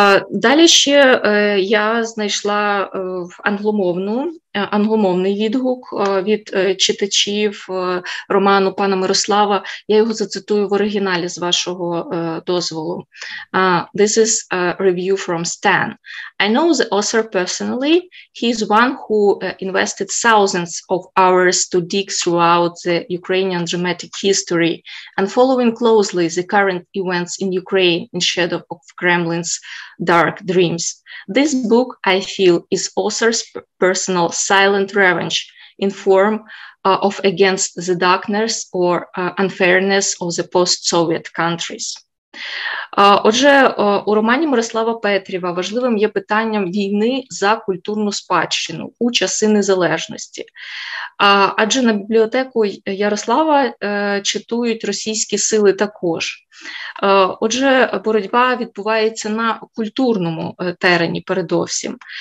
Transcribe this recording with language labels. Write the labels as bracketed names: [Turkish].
[Ukrainian] Далі ще я знайшла англомовну англомовний відгук від читачів роману пана Мирослава. Я його зацитую в оригіналі з вашого дозволу. [English] This is a review from Stan. I know the author personally. He's one who invested thousands of hours to dig throughout the Ukrainian dramatic history and following closely the current events in Ukraine in shadow of Kremlin's dark dreams. This book, I feel, is author's personal silent revenge in form of against the darkness or unfairness of the post-Soviet countries. [Ukrainian] Отже, у романі Мирослава Петріва важливим є питанням війни за культурну спадщину у часи незалежності. Адже на бібліотеку Ярослава читують російські сили також. Отже, боротьба відбувається на культурному терені передовсім.